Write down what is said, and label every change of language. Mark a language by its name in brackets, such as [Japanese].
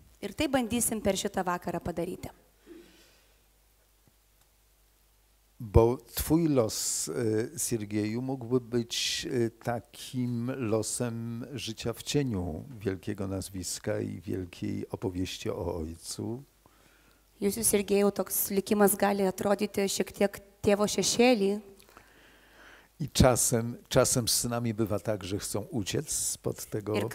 [Lithuanian] Ir tai bandysim per šitą vakarą padaryti. [Polish] Bo twój los, Sergeju, mógłby być takim losem życia w cieniu wielkiego nazwiska i wielkiej opowieści o ojcu. [Lithuanian] Jūsų, Sergeju, toks likimas gali atrodyti šiek tiek tėvo šešėlį. [Polish] I czasem z synami bywa tak, że chcą uciec spod tego